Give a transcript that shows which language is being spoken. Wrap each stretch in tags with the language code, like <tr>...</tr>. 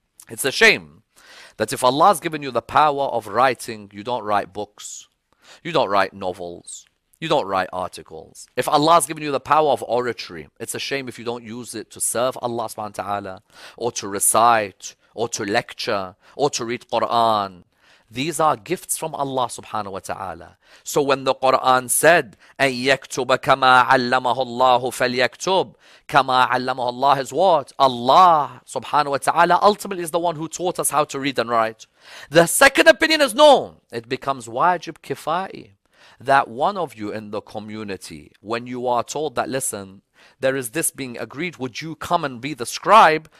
<en>It's a shame that if Allah has given you the power of writing, you don't write books, you don't write novels, you don't write articles. If Allah has given you the power of oratory, it's a shame if you don't use it to serve Allah subhanahu wa ta'ala, or to recite, or to lecture, or to read Quran. These are gifts from Allah subhanahu wa ta'ala. So when the Quran said,</en> <ar>أَنْ يَكْتُبَ كَمَا عَلَّمَهُ اللَّهُ فَلْيَكْتُبْ, كَمَا عَلَّمَهُ اللَّهُ</ar> <en>is what? Allah subhanahu wa ta'ala ultimately is the one who taught us how to read and write. The second opinion is no. It becomes wajib kifai. That one of you in the community, when you are told that, listen, there is this being agreed, would you come and be the scribe?</en>